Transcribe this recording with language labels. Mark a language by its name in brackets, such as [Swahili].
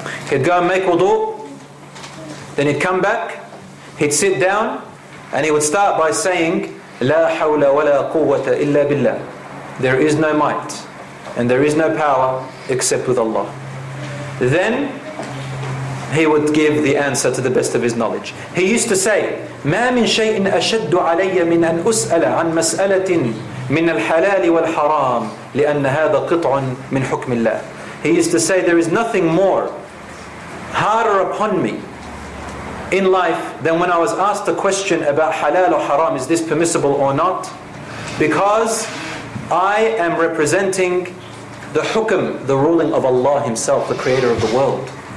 [English] He'd go and make wudu, then he'd come back, he'd sit down, and he would start by saying, [Arabic] La hawla wa la quwwata illa billah. [English] There is no might and there is no power except with Allah. Then he would give the answer to the best of his knowledge. [Arabic] He used to say, مَا مِن شَيْءٍ أَشَدُّ عَلَيَّ مِنْ أَنْ أُسْأَلَ عَنْ مَسْأَلَةٍ مِنَ الْحَلَالِ وَالْحَرَامِ لِأَنَّ هَذَا قِطْعٌ مِنْ حُكْمِ اللَّهِ. [English] He used to say, there is nothing more harder upon me in life than when I was asked a question about halal or haram, is this permissible or not? Because I am representing the hukm, the ruling of Allah Himself, the creator of the world.